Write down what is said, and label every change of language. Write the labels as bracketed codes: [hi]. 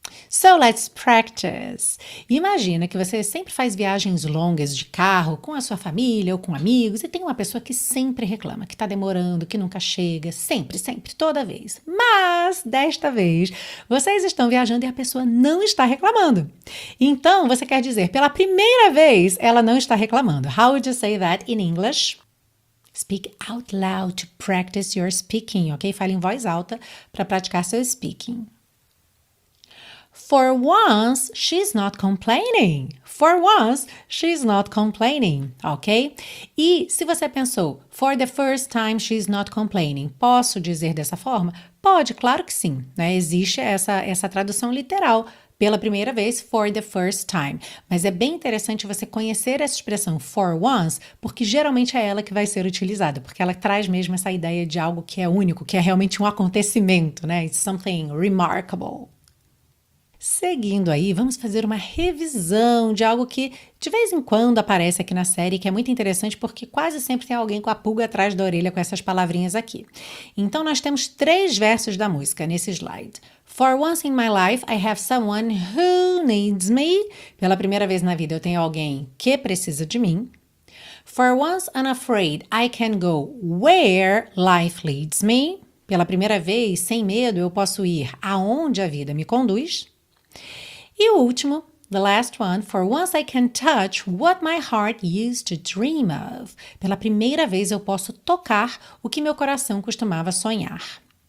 [en] So, let's practice. [pt] Imagina que você sempre faz viagens longas de carro com a sua família ou com amigos e tem uma pessoa que sempre reclama, que está demorando, que nunca chega, sempre, sempre, toda vez. Mas, desta vez, vocês estão viajando e a pessoa não está reclamando. Então, você quer dizer, pela primeira vez, ela não está reclamando. [en] How would you say that in English? Speak out loud to practice your speaking, ok? [pt] Fale em voz alta para praticar seu speaking. [en] For once, she's not complaining. For once, she's not complaining, ok? [pt] E se você pensou, [en] for the first time, she's not complaining, [pt] posso dizer dessa forma? Pode, claro que sim, né? Existe essa tradução literal, pela primeira vez, [en] for the first time. [pt] Mas é bem interessante você conhecer essa expressão for once, porque geralmente é ela que vai ser utilizada, porque ela traz mesmo essa ideia de algo que é único, que é realmente um acontecimento, né? [en] It's something remarkable. [pt] Seguindo aí, vamos fazer uma revisão de algo que de vez em quando aparece aqui na série, que é muito interessante porque quase sempre tem alguém com a pulga atrás da orelha com essas palavrinhas aqui. Então, nós temos 3 versos da música nesse slide. [en] For once in my life, I have someone who needs me. [pt] Pela primeira vez na vida, eu tenho alguém que precisa de mim. [en] For once unafraid, I can go where life leads me. [pt] Pela primeira vez, sem medo, eu posso ir aonde a vida me conduz. E o último, [en] the last one, for once I can touch what my heart used to dream of. [pt] Pela primeira vez eu posso tocar o que meu coração costumava sonhar.